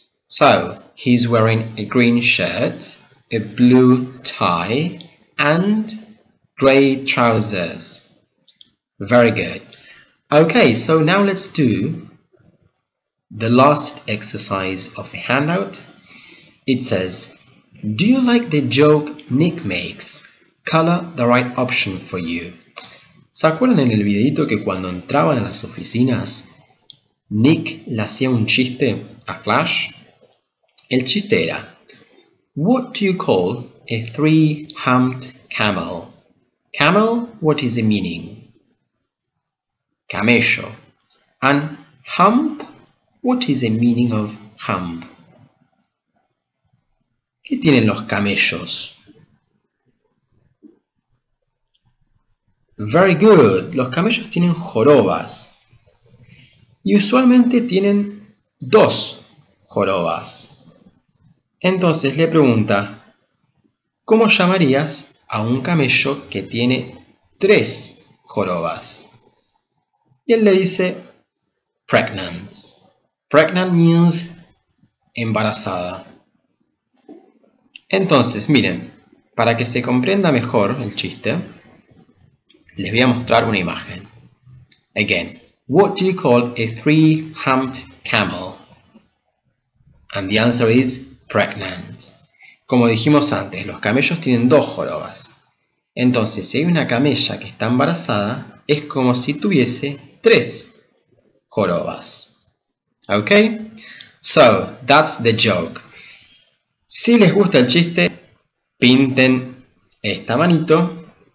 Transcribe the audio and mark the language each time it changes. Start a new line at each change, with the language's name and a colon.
English: So he's wearing a green shirt, a blue tie, and gray trousers. Very good. Okay, so now let's do the last exercise of the handout. It says, do you like the joke Nick makes? Color the right option for you.
Spanish: ¿Se acuerdan en el videito que cuando entraban a las oficinas, Nick le hacía un chiste a Flash? El chiste era,
English: what do you call a three-humped camel? Camel, what is the meaning? Camello. And hump, what is the meaning of hump?
Spanish: ¿Qué tienen los camellos?
English: Very good.
Spanish: Los camellos tienen jorobas. Y usualmente tienen dos jorobas. Entonces le pregunta, ¿cómo llamarías a un camello que tiene tres jorobas? Y él le dice, pregnant.
English: Pregnant means
Spanish: embarazada. Entonces, miren, para que se comprenda mejor el chiste, les voy a mostrar una imagen.
English: Again, what do you call a three-humped camel? And the answer is pregnant.
Spanish: Como dijimos antes, los camellos tienen dos jorobas. Entonces, si hay una camella que está embarazada, es como si tuviese tres jorobas.
English: Ok, so that's the joke.
Spanish: Si les gusta el chiste, pinten esta manito.